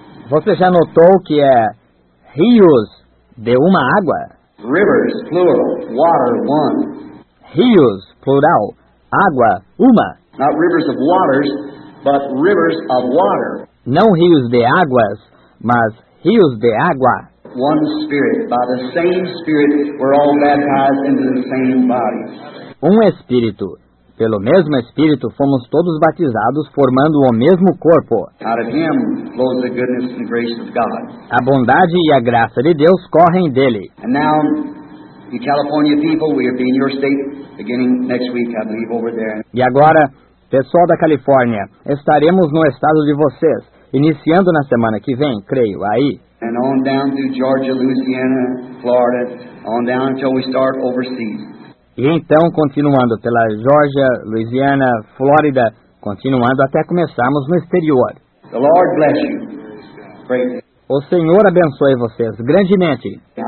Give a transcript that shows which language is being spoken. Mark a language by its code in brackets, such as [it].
[pt] Você já notou que é rios de uma água? [en] Rivers, plural, water, one. [pt] Rios, plural, água, uma. [en] Not rivers of waters, but rivers of water. [pt] Não rios de águas, mas rios de água. [en] One spirit, by the same spirit, we're all baptized into the same body. [pt] Um espírito. Pelo mesmo espírito, fomos todos batizados formando o mesmo corpo. [en] Out of him flows the goodness and grace of God. [pt] A bondade e a graça de Deus correm dele. [en] And now, you California people, we'll be in your state beginning next week, I believe, over there. [pt] E agora, pessoal da Califórnia, estaremos no estado de vocês, iniciando na semana que vem, creio, aí. [en] And on down to Georgia, Louisiana, Florida, on down until we start overseas. [pt] E então, continuando pela Georgia, Louisiana, Flórida, continuando até começarmos no exterior. [en] The Lord bless you. Great. [pt] O Senhor abençoe vocês grandemente.